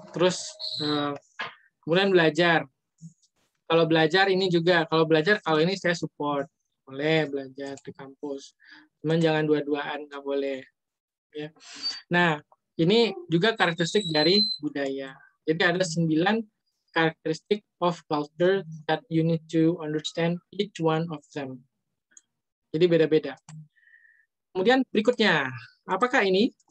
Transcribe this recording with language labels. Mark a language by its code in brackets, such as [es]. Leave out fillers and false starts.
[id] Terus, kemudian belajar. Kalau belajar ini juga, kalau ini saya support. Boleh belajar di kampus. Cuman jangan dua-duaan, nggak boleh. Ya. Nah, ini juga karakteristik dari budaya. Jadi ada 9 karakteristik [en] of culture that you need to understand each one of them. [id] Jadi beda-beda. Kemudian berikutnya, apakah ini?